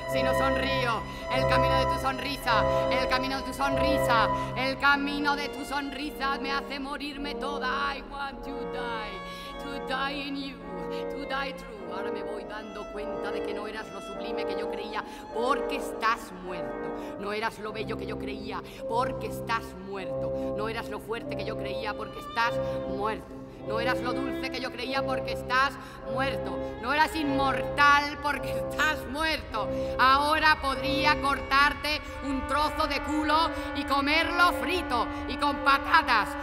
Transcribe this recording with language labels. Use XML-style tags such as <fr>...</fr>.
<es>Si no sonrío, el camino de tu sonrisa, el camino de tu sonrisa, el camino de tu sonrisa me hace morirme toda.</es> <en>I want to die in you, to die true.</en> <es>Ahora me voy dando cuenta de que no eras lo sublime que yo creía porque estás muerto. No eras lo bello que yo creía porque estás muerto. No eras lo fuerte que yo creía porque estás muerto. No eras lo dulce que yo creía porque estás muerto. No eras inmortal porque estás muerto. Ahora podría cortarte un trozo de culo y comerlo frito y con patatas.</es>